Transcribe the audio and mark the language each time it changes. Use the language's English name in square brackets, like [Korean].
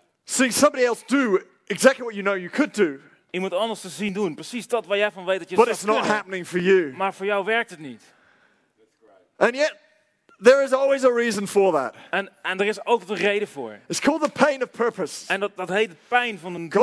[English] Seeing somebody else do exactly what you know you could do. [Dutch] Iemand anders te zien doen precies dat waar jij van weet dat je [English] But [Dutch] zou [English] it's [Dutch] kunnen. [English] Not happening for you. [Dutch] Maar voor jou werkt het niet. [English] And yet, there is always a reason for that. [Dutch] En er is altijd een reden voor. [English] It's called the pain of purpose. [Dutch] En dat heet de pijn van een doel.